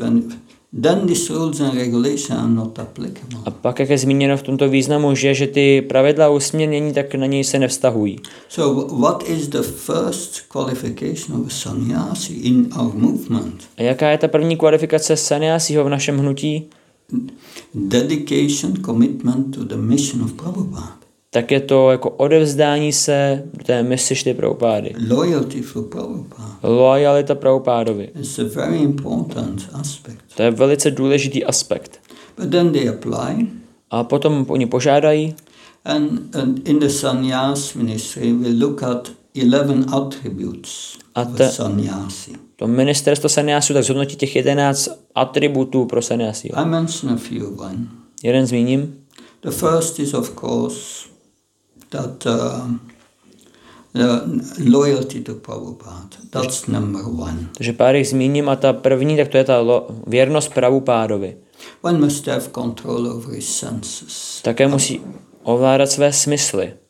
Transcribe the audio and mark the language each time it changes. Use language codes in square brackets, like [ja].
[en] When then these rules and regulations are not applicable. [cs] A pak jak je zmíněno v tomto významu, že ty pravidla usměrnění tak na něj se nevztahují. [en] So what is the first qualification of a sannyasi in our movement? [cs] A jaká je ta první kvalifikace sannyasiho v našem hnutí? [en] Dedication, commitment to the mission of Prabhupada. [cs] Tak je to jako odevzdání se té misi Šrily Prabhupády. [en] Loyalty for Prabhupada. [cs] Loyalita Prabhupádovi. [en] It's a very important aspect. [cs] To je velice důležitý aspekt. [en] But then they apply. [cs] A potom oni požádají. [en] And in the sannyas ministry we look at 11 attributes of sannyasi. [cs] To ministerstvo sannyasu tak zhodnotí těch 11 atributů pro sannyasi. [en] I mention a few of them. [cs] Jeden zmíním. [en] The first is of course that the loyalty to Prabhupada. That's number one. [cs] Takže pár jich zmíním a ta první, tak to je ta věrnost Prabhupádovi. [en] One must have control over his senses. [cs] Také musí ovládat své smysly.